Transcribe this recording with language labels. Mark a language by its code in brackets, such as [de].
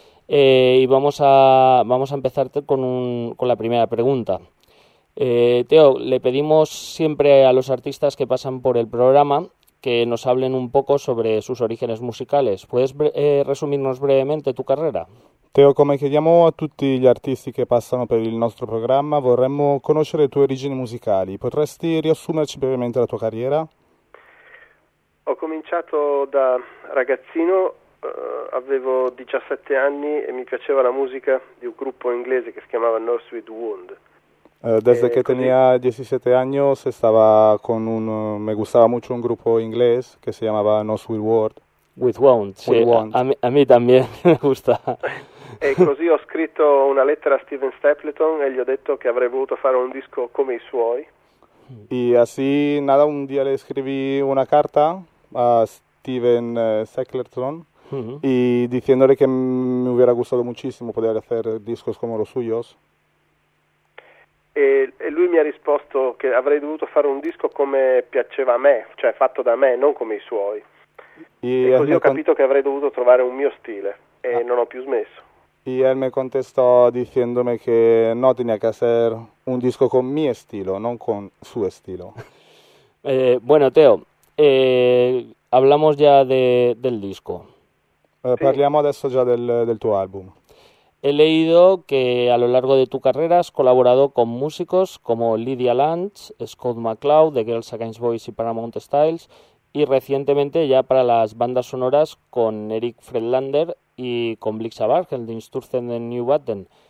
[es] Y vamos a empezarte con la primera pregunta. Teo, le pedimos siempre a los artistas que pasan por el programa que nos hablen un poco sobre sus orígenes musicales. ¿Puedes resumirnos brevemente tu carrera? [it] Teo, come chiediamo a tutti gli artisti che passano per il nostro programma, vorremmo conoscere le tue origini musicali. Potresti riassumerci brevemente la tua carriera? Ho cominciato da ragazzino, avevo 17 anni e mi piaceva la musica di un gruppo inglese che si chiamava North Sweet Wound. [es] Desde que tenía 17 años estaba con un... me gustaba mucho un grupo inglés que se llamaba North Sweet Wound. With Wound, sí. A mí también me gusta. [it] E così ho scritto una lettera a Steven Stapleton e gli ho detto che avrei voluto fare un disco come i suoi. E così, [es] nada, un dia le scrivi una carta a Steven Stapleton e dicendole che mi hubiera gustato [it] moltissimo poter fare [es] discos come los suyos. [it] E lui mi ha risposto che avrei dovuto fare un disco come piaceva a me, cioè fatto da me, non come i suoi. E così ho capito che avrei dovuto trovare un mio stile e non ho più smesso. [es] Y él me contestó diciéndome que no tenía que hacer un disco con mi estilo, no con su estilo. Bueno, Teo, hablamos ya del disco. [it] Parliamo adesso già del tuo album. [es] He leído que a lo largo de tu carrera has colaborado con músicos como Lydia Lunch, Scott McCloud, The Girls Against Boys y Paramount Styles, y recientemente ya para las bandas sonoras con Eric Friedlander y con Blixabarg, el de Insturzen de New Batten.